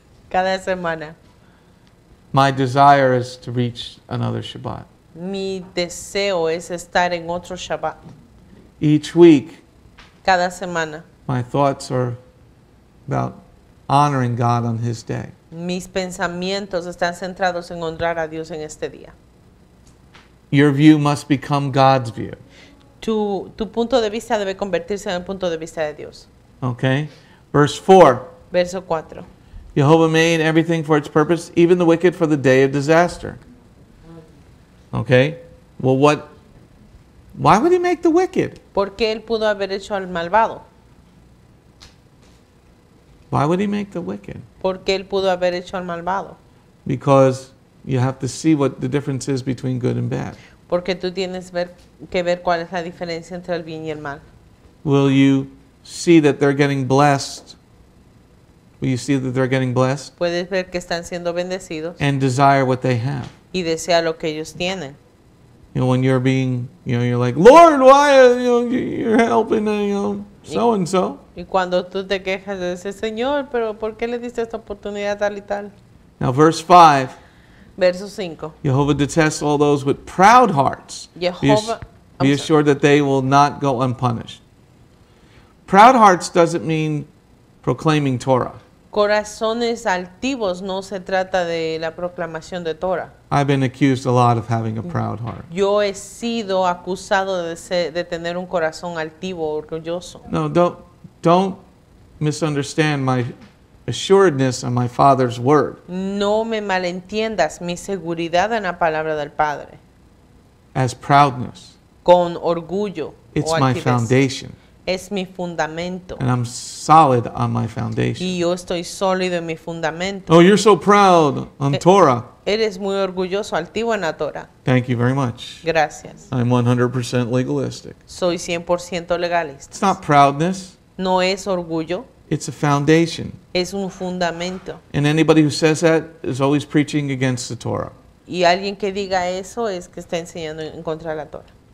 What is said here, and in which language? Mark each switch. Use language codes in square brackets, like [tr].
[es] Cada semana. [en] My desire is to reach another Shabbat. [es] Mi deseo es estar en otro Shabbat. [en] Each week. [es] Cada semana. [en] My thoughts are about honoring God on His day. [es] Mis pensamientos están centrados en honrar a Dios en este día. [en] Your view must become God's view. [es] Tu punto de vista debe convertirse en el punto de vista de Dios. [en] Okay. Verse 4. [es] Verso 4. [en] Jehovah made everything for its purpose, even the wicked for the day of disaster. Okay. Well, what? Why would he make the wicked? [es] ¿Por qué él pudo haber hecho al malvado? [en] Why would he make the wicked? [es] ¿Por qué él pudo haber hecho al malvado? [en] Because You have to see what the difference is between good and bad. [es] Porque tú tienes que ver cuál es la diferencia entre el bien y el mal. [en] Will you see that they're getting blessed? Will you see that they're getting blessed? [es] Puedes ver que están siendo bendecidos. [en] And desire what they have. [es] Y desea lo que ellos tienen. [en] You know, when you're being, you know, you're like, Lord, why are you, you're helping, so and so. [es] Y cuando tú te quejas, dices, Señor, pero ¿por qué le diste esta oportunidad tal y tal? [en] Now, verse 5. [es] Verso 5. [en] Jehovah detests all those with proud hearts. Be assured that they will not go unpunished. Proud hearts doesn't mean proclaiming Torah. [es] Corazones altivos no se trata de la proclamación de Torah. [en] I've been accused a lot of having a proud heart. [es] Yo he sido acusado de tener un corazón altivo, orgulloso. [en] No, don't misunderstand my assuredness and my father's word. [es] No me malentiendas, mi seguridad en la palabra del Padre. [en] As proudness. [es] Con orgullo. [en] It's my foundation. [es] Es mi fundamento. [en] And I'm solid on my foundation. [es] Y yo estoy sólido en mi fundamento. [en] Oh, you're so proud on Torah. [es] Eres muy orgulloso, altivo en la Torah. [en] Thank you very much. [es] Gracias. [en] I'm 100% legalistic. [es] Soy 100% legalista. [en] It's not proudness. [es] No es orgullo. [en] It's a foundation. [es] Es un fundamento. [en] And anybody who says that is always preaching against the Torah. [es] Y alguien que diga eso es que está enseñando en contra de la Torah.